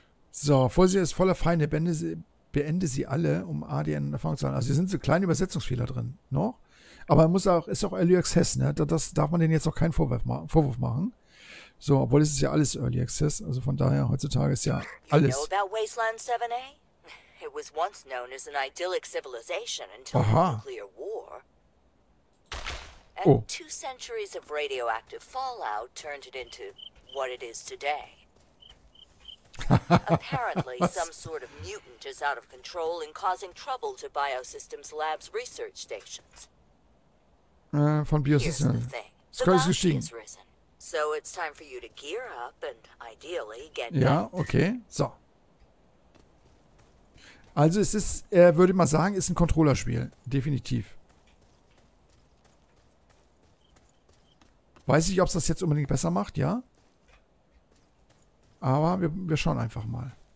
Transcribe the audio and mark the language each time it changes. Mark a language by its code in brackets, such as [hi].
[de] So, Vorsicht ist voller Feinde. Beende sie alle, um ADN Erfahrung zu haben. Also hier sind so kleine Übersetzungsfehler drin. Noch? Aber man muss auch, ist auch Early Access, ne? Das darf man denen jetzt auch keinen Vorwurf machen. So, obwohl es ist ja alles Early Access. Also von daher, heutzutage ist ja alles. [en] You know Wasteland 7A? It was once known as an idyllic civilization until the nuclear war. And two centuries of radioactive fallout turned it into what it is today. Apparently, some sort of mutant is out of control and causing trouble to Biosystems Labs research stations. Von Biosystems. Here's the thing. The risen. So it's time for you to gear up and ideally get [de] Ja, okay. So. Also es ist, würde man sagen, ist ein Controllerspiel. Definitiv. Weiß ich, ob es das jetzt unbedingt besser macht, ja. Aber wir schauen einfach mal.